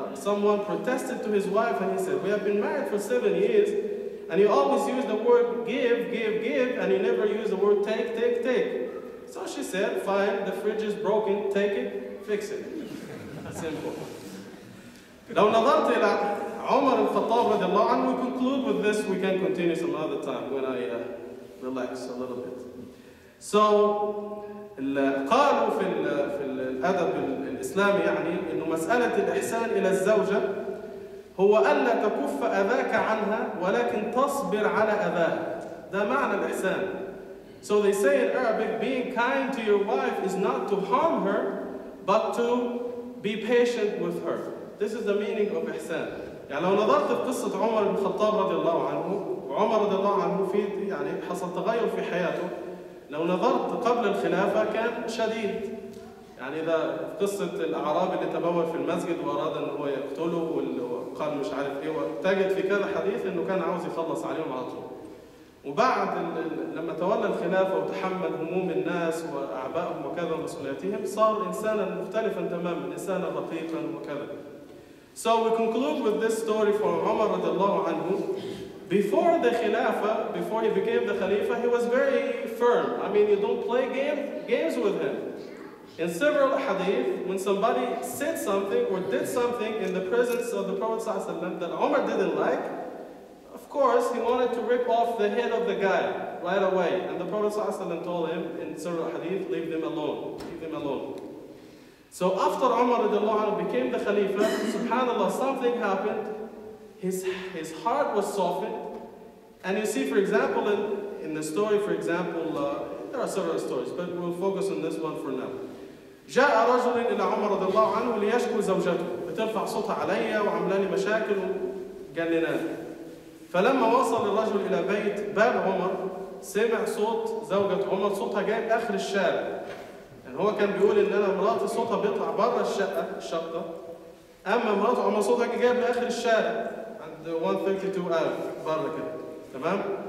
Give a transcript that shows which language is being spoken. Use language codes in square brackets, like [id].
[en] Someone protested to his wife and he said, we have been married for 7 years and you always use the word give and you never use the word take. So she said, fine, the fridge is broken, take it, fix it. Simple. [ar] لو نظرت إلى عمر الخطاب رضي الله عنه, [en] we conclude with this, we can continue some other time when I relax a little bit. [ar] So, قالوا في الأدب الإسلامي يعني إنه مسألة الإحسان إلى الزوجة هو ألا تكف أذاك عنها ولكن تصبر على أذاه. ده معنى الإحسان. [en] So they say in Arabic, being kind to your wife is not to harm her, but to be patient with her. This is the meaning of إحسان. [ar] يعني لو نظرت في قصة عمر بن الخطاب رضي الله عنه, وعمر رضي الله عنه في يعني حصل تغير في حياته. لو نظرت قبل الخلافة كان شديد. يعني إذا في قصة الأعرابي اللي تبول في المسجد وأراد أن هو يقتله وقال مش عارف إيه, وتجد في كذا حديث إنه كان عاوز يخلص عليهم على طول. وبعد لما تولى الخلافة وتحمل هموم الناس وأعبائهم وكذا ومسؤولياتهم, صار إنسانا مختلفا تماما, إنسانا رقيقا وكذا. [en] So we conclude with this story from Umar رضي الله عنه. Before the Khilafah, before he became the Khalifa, he was very firm. I mean, you don't play games with him. In several hadith, when somebody said something or did something in the presence of the Prophet Sallallahu Alaihi Wasallam that Umar didn't like, of course, he wanted to rip off the head of the guy right away. And the Prophet Sallallahu Alaihi Wasallam told him in several hadith, leave them alone, leave them alone. So after Umar radiallahu anhu became the Khalifa, subhanAllah, something happened. His heart was softened. And you see, for example, in the story, for example, there are several stories, but we'll focus on this one for now. [ar] جاء رجل إلى عمر رضي الله عنه ليشكو زوجته بترفع صوتها علي وعملاني مشاكل وجننان. فلما وصل الرجل إلى بيت باب عمر, سمع صوت زوجة عمر, صوتها جاي آخر الشارع. يعني هو كان بيقول إن أنا مراتي صوتها بيطلع بره الشقة الشقة, أما مراته عمر صوتها جاي آخر الشارع عند 132 بره كده, تمام.